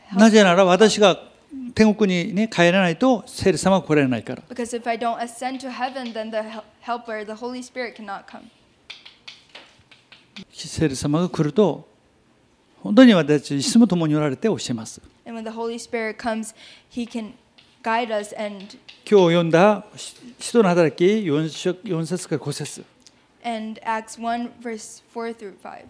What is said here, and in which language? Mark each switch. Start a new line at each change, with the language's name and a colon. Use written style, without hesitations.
Japanese: なぜなら私が天国にね帰らないと聖霊様は来られないから。
English: Because if I don't ascend to heaven, then the helper, the Holy Spirit, cannot come.
Japanese: 聖霊様が来ると本当に私たちいつも共におられて教えます。
English: And when the Holy Spirit comes, he can guide us and.
Japanese: 今日読んだ使徒の働き4節から5節。
English: And Acts 1 verse 4 through 5.